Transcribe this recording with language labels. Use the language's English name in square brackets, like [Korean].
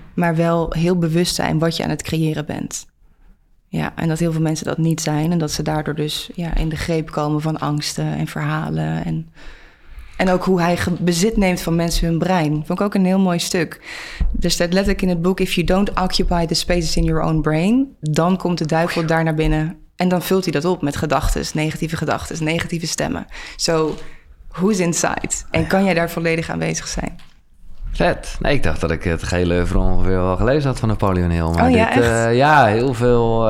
[Dutch] Maar wel heel bewust zijn wat je aan het creëren bent. Ja, en dat heel veel mensen dat niet zijn. En dat ze daardoor dus in de greep komen van angsten en verhalen en... En ook hoe hij bezit neemt van mensen hun brein. Vond ik ook een heel mooi stuk. Er staat letterlijk in het boek... [English] If you don't occupy the spaces in your own brain... [Dutch] dan komt de duivel daar naar binnen. En dan vult hij dat op met negatieve gedachten, negatieve stemmen. [English] So, who's inside? [Dutch] En kan jij daar volledig aanwezig zijn? Vet. Nee, ik dacht dat ik het gele oeuvre ongeveer wel gelezen had van Napoleon Hill. Maar oh ja, dit, ja, heel veel.